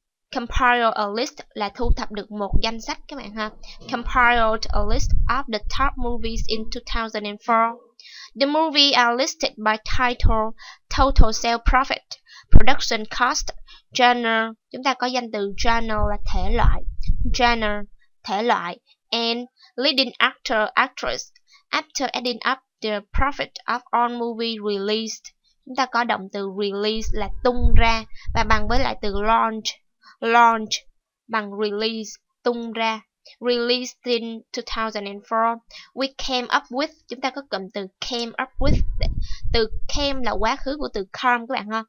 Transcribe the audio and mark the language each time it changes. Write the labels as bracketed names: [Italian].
[English] Compile a list [Vietnamese] là thu thập được một danh sách các bạn ha. [English] Compiled a list of the top movies in 2004. The movie are listed by title, total sales profit, production cost, genre. [Vietnamese] Chúng ta có danh từ genre là thể loại. Genre, thể loại. [English] And leading actor, actress, after adding up the profit of all movie released. [Vietnamese] Chúng ta có động từ release là tung ra và bằng với lại từ launch. [English] Launch [Vietnamese] bằng [English] release, [Vietnamese] tung ra. [English] Released in 2004. We came up with, [Vietnamese] chúng ta có cụm từ came up with. Từ came là quá khứ của từ come các bạn ha.